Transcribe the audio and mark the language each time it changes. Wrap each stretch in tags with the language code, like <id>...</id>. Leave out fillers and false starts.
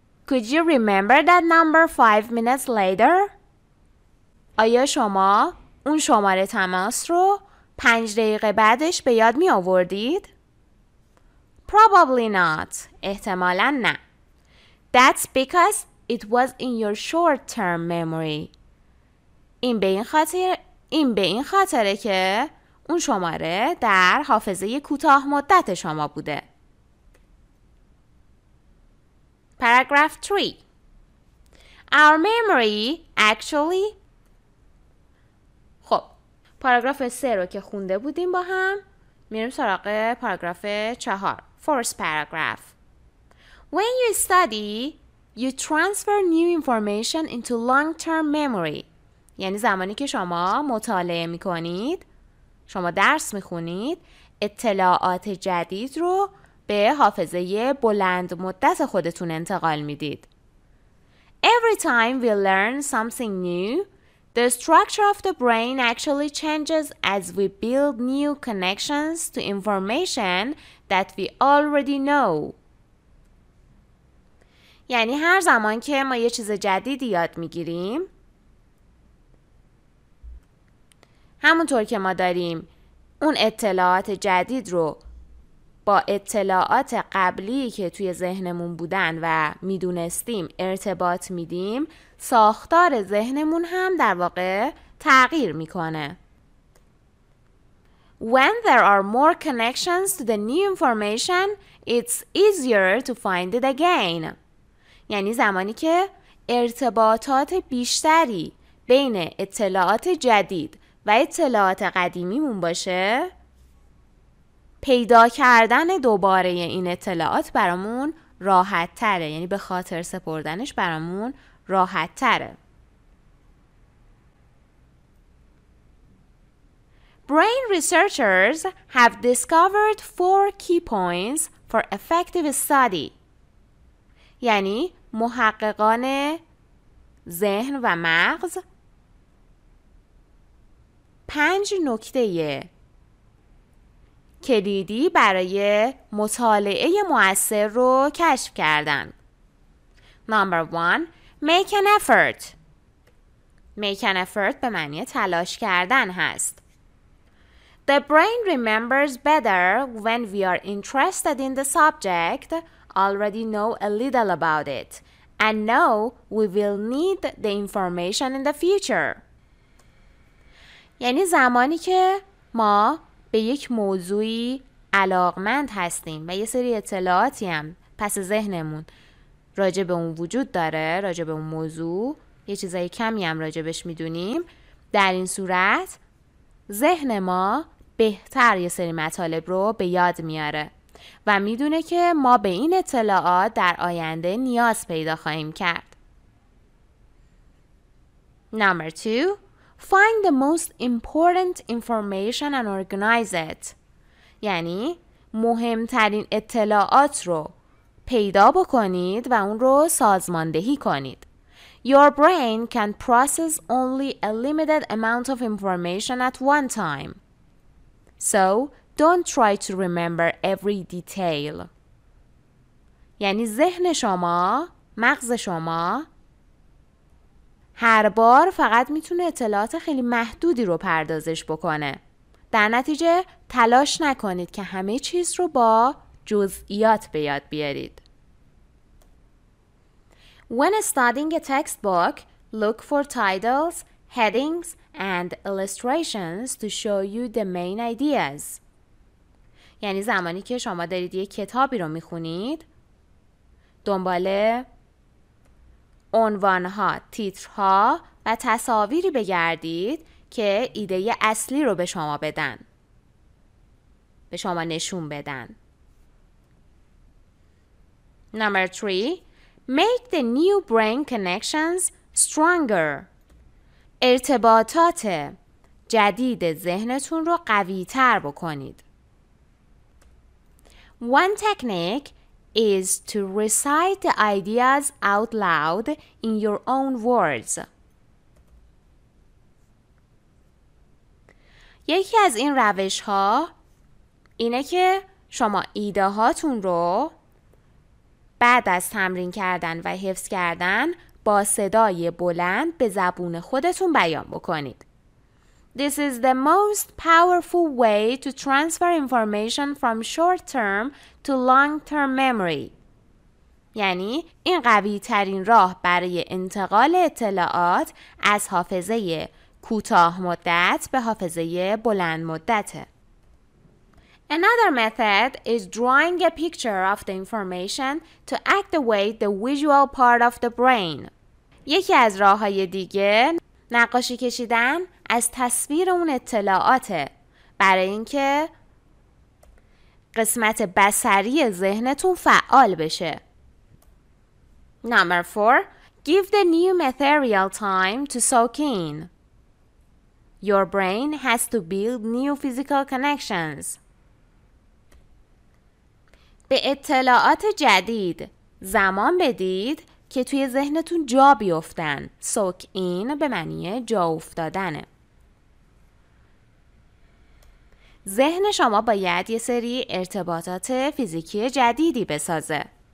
<en>Could you remember that number 5 minutes later?</en> <fa>آیا شما اون شماره تماس رو 5 دقیقه بعدش به یاد می آوردید؟</fa> <en>Probably not.</en> <fa>احتمالاً نه.</fa> <en>That's because it was in your short-term memory.</en> <fa>این به این خاطره که اون شماره در حافظه کوتاه مدت شما بوده.</fa> <en>Paragraph 3. Our memory actually.</en> <fa>خب، پاراگراف 3 رو که خونده بودیم با هم، میریم سراغ پاراگراف 4.</fa> <en>First paragraph. When you study, you transfer new information into long-term memory.</en> <fa>یعنی زمانی که شما مطالعه می‌کنید، شما درس میخونید، اطلاعات جدید رو به حافظه بلند مدت خودتون انتقال میدید.</fa> <en>Every time we learn something new, the structure of the brain actually changes as we build new connections to information that we already know.</en> <fa>یعنی هر زمان که ما یه چیز جدید یاد میگیریم، همونطور که ما داریم اون اطلاعات جدید رو با با اطلاعات قبلی که توی ذهنمون بودن و میدونستیم ارتباط میدیم، ساختار ذهنمون هم در واقع تغییر میکنه.</fa> <en>When there are more connections to the new information, it's easier to find it again.</en> <fa>یعنی زمانی که ارتباطات بیشتری بین اطلاعات جدید و اطلاعات قدیمیمون باشه، پیدا کردن دوباره این اطلاعات برامون راحت تره، یعنی به خاطر سپردنش برامون راحت تره.</fa> <en>Brain researchers have discovered 4 key points for effective study.</en> <fa>یعنی محققان ذهن و مغز 5 نکته کلیدی برای مطالعه مؤثر رو کشف کردن.</fa> <en>Number 1, make an effort. Make an effort</en> <fa>به معنی تلاش کردن هست.</fa> <en>The brain remembers better when we are interested in the subject, already know a little about it, and know we will need the information in the future.</en> <fa>یعنی زمانی که ما به یک موضوعی علاقمند هستیم و یه سری اطلاعاتی هم پس ذهنمون راجع به اون وجود داره، راجع به اون موضوع یه چیزای کمی هم راجع بهش میدونیم، در این صورت ذهن ما بهتر یه سری مطالب رو به یاد میاره و میدونه که ما به این اطلاعات در آینده نیاز پیدا خواهیم کرد.</fa> <en>Number 2, find the most important information and organize it.</en> <fa>یعنی مهمترین اطلاعات رو پیدا بکنید و اون رو سازماندهی کنید.</fa> <en>Your brain can process only a limited amount of information at one time. So, don't try to remember every detail.</en> <fa>یعنی ذهن شما، مغز شما هر بار فقط میتونه اطلاعات خیلی محدودی رو پردازش بکنه. در نتیجه تلاش نکنید که همه چیز رو با جزئیات به یاد بیارید.</fa> <en>When studying a textbook, look for titles, headings and illustrations to show you the main ideas.</en> <fa>یعنی زمانی که شما دارید یک کتابی رو میخونید، دنبال عنوانها، تیترها و تصاویری بگردید که ایده اصلی رو به شما بدن، به شما نشون بدن.</fa> <en>Number 3, make the new brain connections stronger.</en> <fa>ارتباطات جدید ذهنتون رو قوی تر بکنید.</fa> <en>One technique is to recite the ideas out loud in your own words.</en> <fa>یکی از این روش ها اینه که شما ایده هاتون رو بعد از تمرین کردن و حفظ کردن با صدای بلند به زبون خودتون بیان بکنید.</fa> <en>This is the most powerful way to transfer information from short term to long term memory.</en> <fa>یعنی این قوی ترین راه برای انتقال اطلاعات از حافظه کوتاه مدت به حافظه بلند مدته.</fa> <en>Another method is drawing a picture of the information to activate the visual part of the brain.</en> <fa>یکی از راه‌های دیگه نقاشی کشیدن از تصویر اون اطلاعاته برای اینکه قسمت بصری ذهنتون فعال بشه.</fa> <en>Number 4, give the new material time to soak in. Your brain has to build new physical connections.</en> <fa>به اطلاعات جدید زمان بدید که توی ذهنتون جا بیفتن. سوک این به معنی جا افتادنه. ذهن شما باید یه سری ارتباطات فیزیکی جدیدی بسازه.</fa>